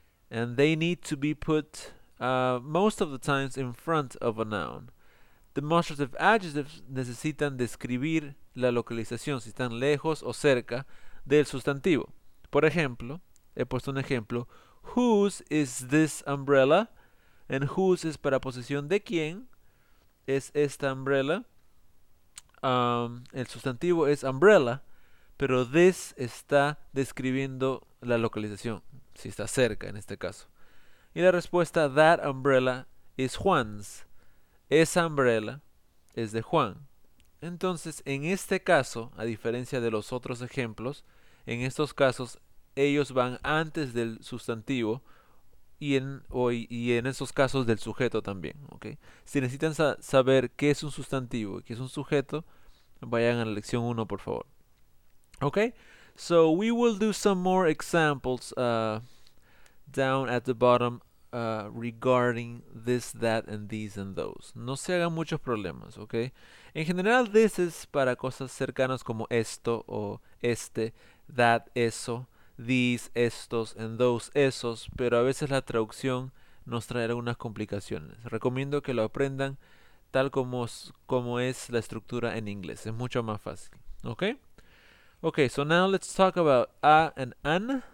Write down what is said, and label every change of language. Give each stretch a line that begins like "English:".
English: And they need to be put most of the times in front of a noun. Demonstrative adjectives
Spanish: necesitan describir la localización, si están lejos o cerca del sustantivo. Por ejemplo, he puesto un ejemplo.
English: Whose is this umbrella? And whose
Spanish: es para posesión de quién es esta umbrella. El sustantivo es umbrella, pero this está describiendo la localización. Si está cerca en este caso. Y la respuesta,
English: that umbrella is Juan's.
Spanish: Esa umbrella es de Juan. Entonces, en este caso, a diferencia de los otros ejemplos, en estos casos ellos van antes del sustantivo y en esos casos del sujeto también. ¿Okay? Si necesitan sa saber qué es un sustantivo y qué es un sujeto, vayan a la lección 1, por favor. ¿Ok?
English: So we will do some more examples down at the bottom regarding this, that, and these and those.
Spanish: No se hagan muchos problemas, ¿ok? En general, this es para cosas cercanas como esto o este, that, eso, these, estos, and those, esos, pero a veces la traducción nos trae algunas complicaciones. Recomiendo que lo aprendan tal como es la estructura en inglés. Es mucho más fácil, ¿ok?
English: Okay, so now let's talk about a and an.